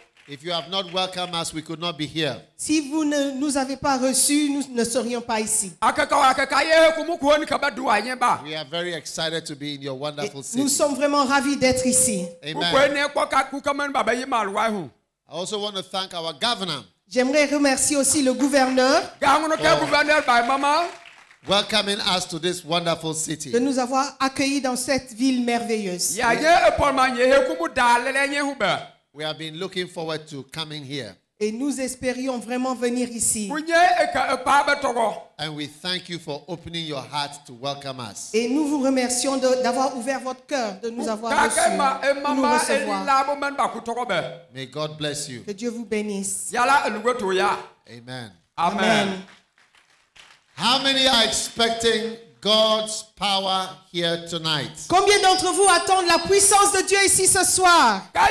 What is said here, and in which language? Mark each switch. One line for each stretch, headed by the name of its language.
English: If you have not welcomed us, we could not be here.
French: Si vous ne nous avez pas reçus, nous ne serions pas ici.
English: We are very excited to be in your wonderful city.
French: Nous sommes vraiment ravis d'être ici.
English: Amen. I also want to thank our governor.
French: J'aimerais remercier aussi le gouverneur.
English: Welcoming us to this wonderful city.
French: De nous avoir accueillis dans cette ville merveilleuse.
English: We have been looking forward to coming here.
French: Et nous espérions vraiment venir ici.
English: And we thank you for opening your heart to welcome us.
French: Et nous vous remercions d'avoir ouvert votre cœur, de nous avoir reçus, nous recevoir.
English: May God bless you.
French: Que Dieu vous bénisse.
English: Amen.
French: Amen. Amen.
English: How many are expecting God's power here tonight?
French: Combien d'entre vous attendent la puissance de Dieu ici ce soir?